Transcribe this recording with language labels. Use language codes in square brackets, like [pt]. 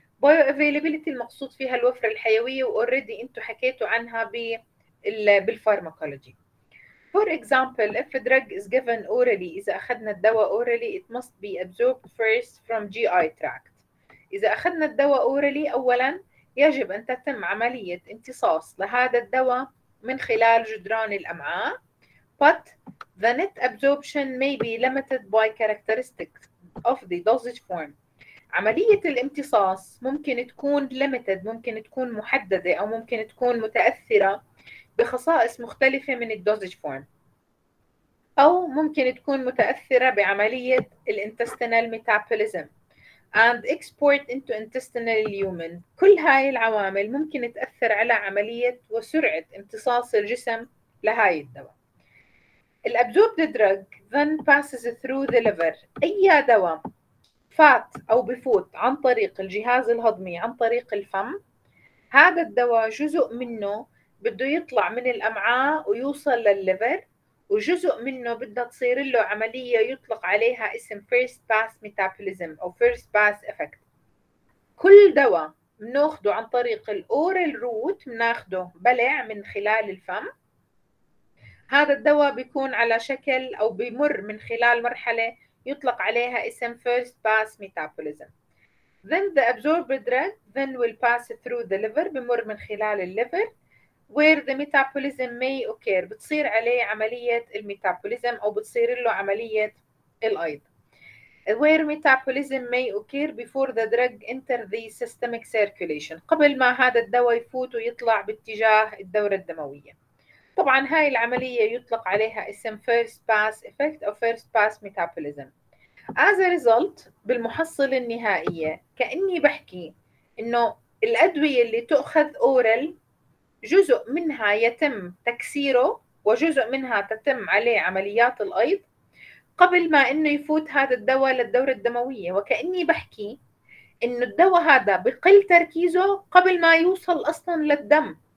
[ar] Bioavailability المقصود فيها الوفرة الحيوية، و already أنتوا حكيتوا عنها بالفارماكولوجي. [en] For example, if a drug is given orally، [ar] إذا أخذنا الدواء [en] orally it must be absorbed first from GI tract. [ar] إذا أخذنا الدواء orally أولاً يجب أن تتم عملية امتصاص لهذا الدواء من خلال جدران الأمعاء. [en] But the net absorption may be limited by characteristics of the dosage form. [ar] عملية الامتصاص ممكن تكون limited، ممكن تكون محددة أو ممكن تكون متأثرة بخصائص مختلفة من الدوزج فورم، أو ممكن تكون متأثرة بعملية الانتستينال ميتابوليزم [en] and export into intestinal lumen. [ar] كل هاي العوامل ممكن تأثر على عملية وسرعة امتصاص الجسم لهاي الدواء. [en] The absorbed drug then passes through the liver. [ar] أي دواء فات أو بفوت عن طريق الجهاز الهضمي عن طريق الفم، هذا الدواء جزء منه بده يطلع من الأمعاء ويوصل للليفر، وجزء منه بده تصير له عملية يطلق عليها اسم first pass metabolism أو first pass effect. كل دواء بناخده عن طريق الأورال روت، بناخده بلع من خلال الفم، هذا الدواء بيكون على شكل أو بيمر من خلال مرحلة يطلق عليها اسم first pass metabolism. [en] Then the absorbed drug then will pass through the liver، [ar] بمر من خلال الليفر. [en] Where the metabolism may occur، [ar] بتصير عليه عملية الميتابوليزم أو بتصير له عملية الأيض. [en] Where metabolism may occur before the drug enter the systemic circulation، [ar] قبل ما هذا الدواء يفوت ويطلع باتجاه الدورة الدموية. طبعا هاي العملية يطلق عليها اسم first pass effect أو first pass metabolism. [en] As a result، [ar] بالمحصلة النهائية كأني بحكي إنه الأدوية اللي تأخذ oral جزء منها يتم تكسيره وجزء منها تتم عليه عمليات الأيض قبل ما إنه يفوت هذا الدواء للدورة الدموية، وكأني بحكي إنه الدواء هذا بقل تركيزه قبل ما يوصل أصلاً للدم.